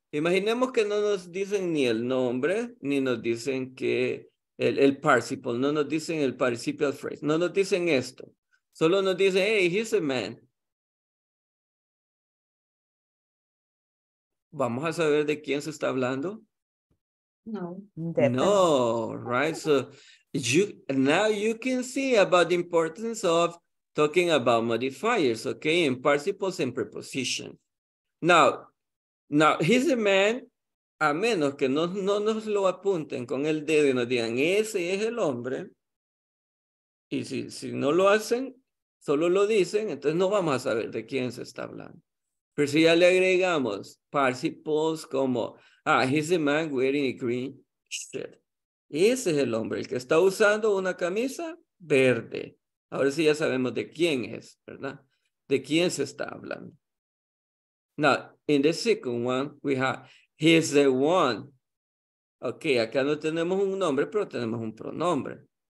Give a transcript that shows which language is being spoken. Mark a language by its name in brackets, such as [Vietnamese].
[Spanish] Imaginemos que no nos dicen ni el nombre, ni nos dicen que el participle, no nos dicen el participial phrase, no nos dicen esto. Solo nos dicen, [English] hey, he's a man. [Spanish] ¿Vamos a saber de quién se está hablando? No. [English] No, right? So, now you can see about the importance of talking about modifiers, okay, and participles and prepositions. Now, he's a man, [Spanish] a menos que no nos lo apunten con el dedo y nos digan, ese es el hombre. Y si no lo hacen, solo lo dicen, entonces no vamos a saber de quién se está hablando. Pero si ya le agregamos participles como, [English] he's a man wearing a green shirt. [Spanish] Ese es el hombre, el que está usando una camisa verde. Ahora sí ya sabemos de quién es, ¿verdad? De quién se está hablando. [English] Now, in the second one, we have, he's the one. [Spanish] Ok, acá no tenemos un nombre, pero tenemos un pronombre.